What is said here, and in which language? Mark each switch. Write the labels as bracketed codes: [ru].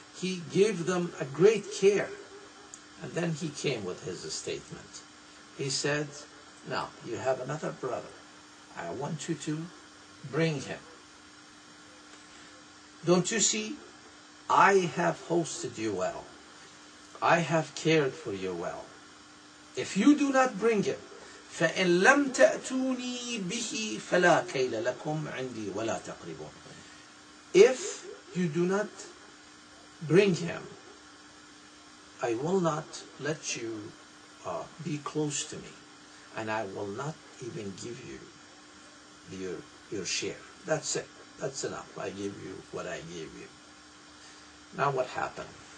[en] He gave them a great care. And then he came with his statement. He said, now, you have another brother. I want you to bring him. Don't you see? I have hosted you well. I have cared for you well. If you do not bring him, [ar] فَإِن لَمْ تَأْتُونِي بِهِ فَلَا كَيْلَ لَكُمْ عِنْدِي وَلَا تَقْرِبُونَ. [en] If you do not bring him, I will not let you be close to me, and I will not even give you your share. That's it. That's enough. I give you what I gave you. Now what happened?